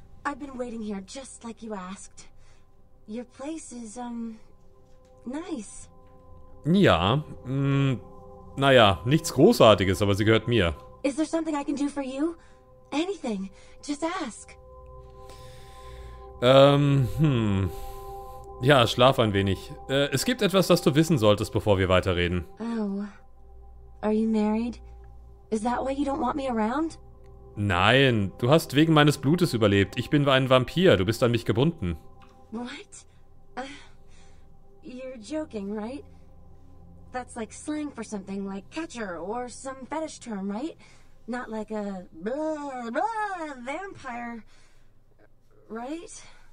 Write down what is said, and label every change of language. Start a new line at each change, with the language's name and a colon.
English: I've been waiting here just like you asked. Your place is, nice.
German: Ja, naja, nichts Großartiges, aber sie gehört mir.
English: Is there something I can do for you? Anything, just ask.
German: Ja, schlaf ein wenig. Es gibt etwas, das du wissen solltest, bevor wir weiterreden.
English: Oh. Are you married? Is that why you don't want me around?
German: Nein, du hast wegen meines Blutes überlebt. Ich bin ein Vampir, du bist an mich gebunden.
English: What? You're joking, right? That's like slang for something like catcher or some fetish term, right? Not like a blah, blah, vampire. Right?